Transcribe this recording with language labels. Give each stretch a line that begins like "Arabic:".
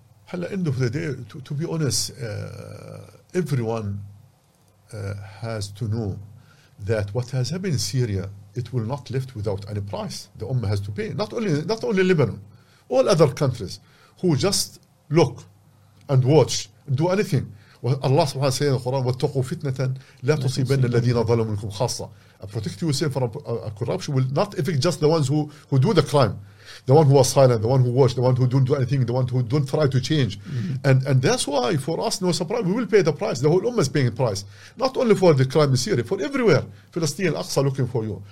English: At the end of the day, to be honest, everyone has to know that what has happened in Syria, it will not lift without any price. The Ummah has to pay. Not only Lebanon, all other countries who just look and watch, do anything. Allah subhanahu wa ta'ala in the Quran,
Arabic: وَاتَّقُوا فِتْنَةً لَا تُصِيبَنَّ الَّذِينَ ظَلَمُوا مِنْكُمْ خَاصَّةً.
English: Protect yourself from a corruption will not affect just the ones who do the crime. The one who was silent, the one who watched, the one who don't do anything, the one who don't try to change. And that's why for us, no surprise, we will pay the price. The whole Ummah is paying the price. Not only for the crime in Syria, for everywhere. Palestine, Aqsa looking for you.